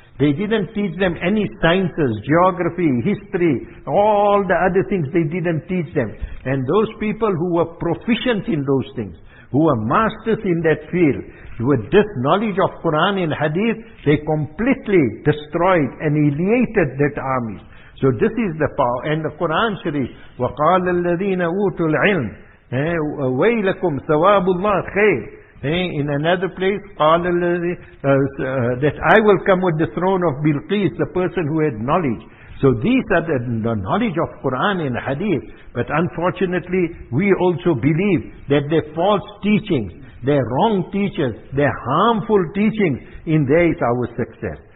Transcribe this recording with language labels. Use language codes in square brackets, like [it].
[en] They didn't teach them any sciences, geography, history, all the other things they didn't teach them. And those people who were proficient in those things, who were masters in that field, with this knowledge of Quran and Hadith, they completely destroyed, annihilated that army. So this is the power. And the Quran Sharif, [ar] وَقَالَ الَّذِينَ أُوتُوا الْعِلْمِ وَيْلَكُمْ ثَوَابُ اللَّهِ خَيْرٍ. [en] In another place, قَالَ that I will come with the throne of Bilqis, the person who had knowledge. So these are the knowledge of Quran and Hadith. But unfortunately, we also believe that their false teachings, their wrong teachers, their harmful teachings, in there is our success.